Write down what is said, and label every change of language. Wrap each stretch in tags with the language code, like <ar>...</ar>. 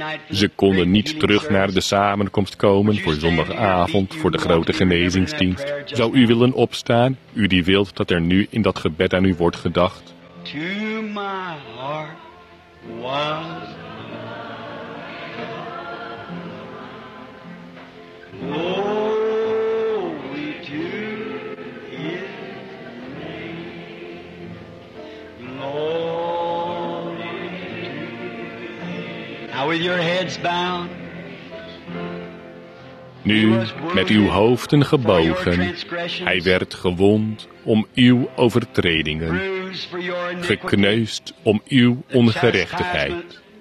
<nl>Ze konden niet terug naar de samenkomst komen voor zondagavond voor de grote genezingsdienst. Zou u willen opstaan, u die wilt dat er nu in dat gebed aan u wordt gedacht?</nl> <en>To my heart was glory to His name, glory to His name. Now with your heads bound.</en> <nl>Nu met uw hoofden gebogen, hij werd gewond om uw overtredingen, gekneusd om uw ongerechtigheid.</nl>